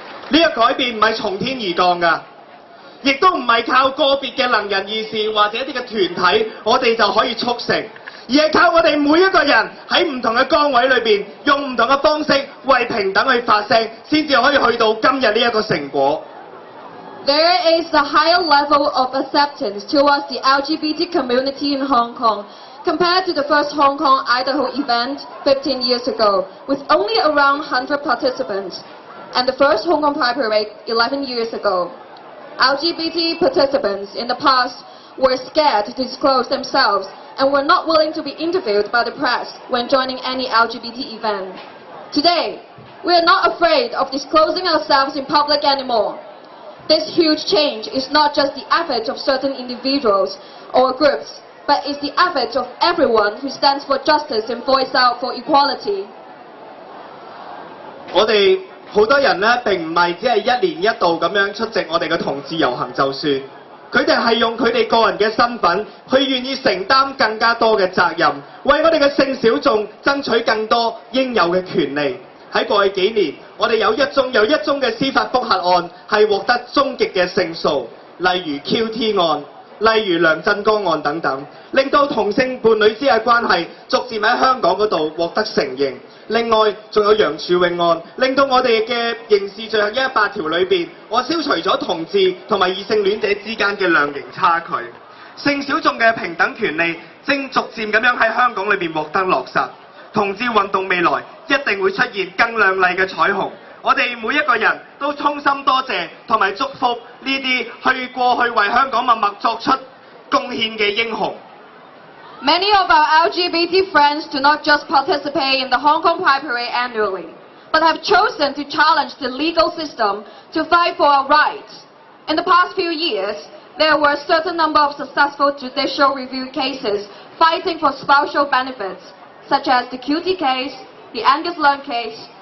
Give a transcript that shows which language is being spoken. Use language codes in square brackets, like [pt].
[yue] 這個改變不是從天而降的，亦都不是靠個別的能人異士或者一些團體我們就可以促成，而是靠我們每一個人在不同的崗位裡面用不同的方式為平等去發聲，才可以去到今天這個成果。 [en] There is a higher level of acceptance towards the LGBT community in Hong Kong compared to the first Hong Kong Idaho event 15 years ago with only around 100 participants and the first Hong Kong Pride Parade 11 years agoLGBT participants in the past were scared to disclose themselves and were not willing to be interviewed by the press when joining any LGBT event. Today, we are not afraid of disclosing ourselves in public anymore. This huge change is not just the effort of certain individuals or groups, but is the effort of everyone who stands for justice and voice out for equality. [yue] 很多人並不是只是一年一度這樣出席我們的同志遊行就算，他們是用他們個人的身份去願意承擔更加多的責任，為我們的性小眾爭取更多應有的權利。在過去幾年我們有一宗又一宗的司法覆核案是獲得終極的勝訴，例如 QT 案，例如梁振剛案等等，令到同性伴侶之間的關係逐漸在香港那裡獲得承認。另外還有楊柱穎案，令到我們的刑事罪行118條裡面我消除了同志和異性戀者之間的量刑差距，性小眾的平等權利正逐漸地在香港裡面獲得落實，同志運動未來一定會出現更亮麗的彩虹。我們每一個人都衷心多謝和祝福這些去過去為香港默默作出貢獻的英雄。 [en] Many of our LGBT friends do not just participate in the Hong Kong Pride Parade annually, but have chosen to challenge the legal system to fight for our rights. In the past few years, there were a certain number of successful judicial review cases fighting for spousal benefits, such as the QT case, the Angus Leung case.